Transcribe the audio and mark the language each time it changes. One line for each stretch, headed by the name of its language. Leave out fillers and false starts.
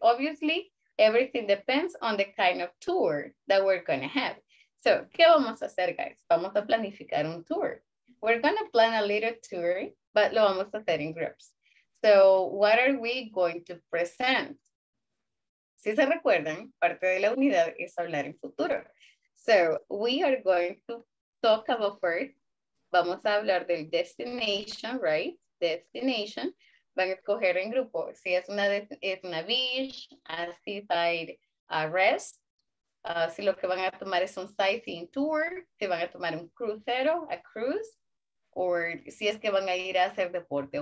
English: Obviously, everything depends on the kind of tour that we're going to have.
Spanish: So, ¿qué vamos a hacer, guys? Vamos a planificar un tour.
English: We're going to plan a little tour, but
Spanish: lo vamos a hacer
English: in groups. So, what are we going to present?
Spanish: Si se recuerdan, parte de la unidad es hablar en futuro.
English: So, we are going to talk about first.
Spanish: Vamos a hablar del destination, right? Destination. Van a escoger en grupo. Si es una, es una beach,
English: a seaside rest.
Spanish: Si lo que van a tomar es un sightseeing tour, si van a tomar un crucero,
English: a cruise,
Spanish: or si es que van a ir a hacer deporte.